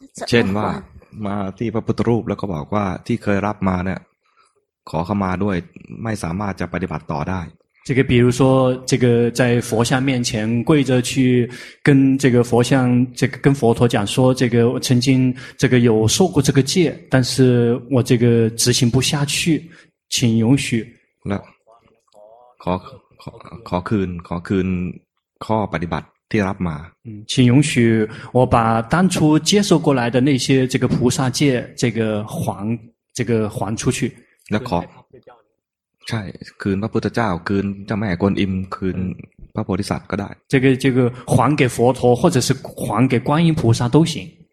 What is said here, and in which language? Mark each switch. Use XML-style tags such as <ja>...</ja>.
<th>เช่นว่ามาที่พระพุทธรูปแล้วก็บอกว่าที่เคยรับมาเนี่ยขอเข้ามาด้วยไม่สามารถจะปฏิบัติต่อได้</th> <zh>这个比如说这个在佛像面前跪着去跟这个佛像这个跟佛陀讲说这个我曾经这个有受过这个戒但是我这个执行不下去请允许</zh> <th>แล้วขอคืนขอคืนข้อปฏิบัติที่รับมา</th> <zh>请允许我把当初接受过来的那些这个菩萨戒这个还这个还出去</zh> <th>แล้วขอใช่คืนพระพุทธเจ้าคืนเจ้าแม่กวนอิมคืนพระโพธิสัตว์ก็ได้</th> <zh>这个还给佛陀或者是还给观音菩萨都行</zh>